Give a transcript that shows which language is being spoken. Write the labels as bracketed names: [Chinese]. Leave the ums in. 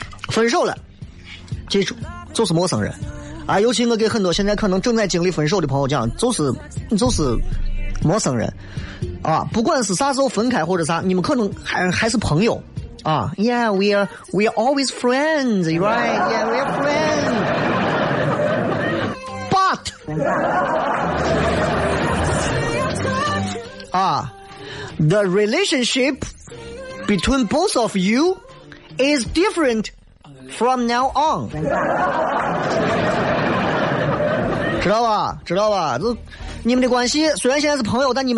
[Chinese] 分手、嗯、了，这住，就是陌生人啊。尤其我给很多现在可能正在经历分手的朋友讲，就是就是陌生人啊。不管是啥时候分开或者啥，你们可能还还是朋友。 [English] Ah, uh, yeah, we are we are always friends, right? Yeah, we are friends. but ah, uh, the relationship between both of you is different from now on. [Chinese] 知道吧?知道吧? 你们的关系,虽然现在是朋友,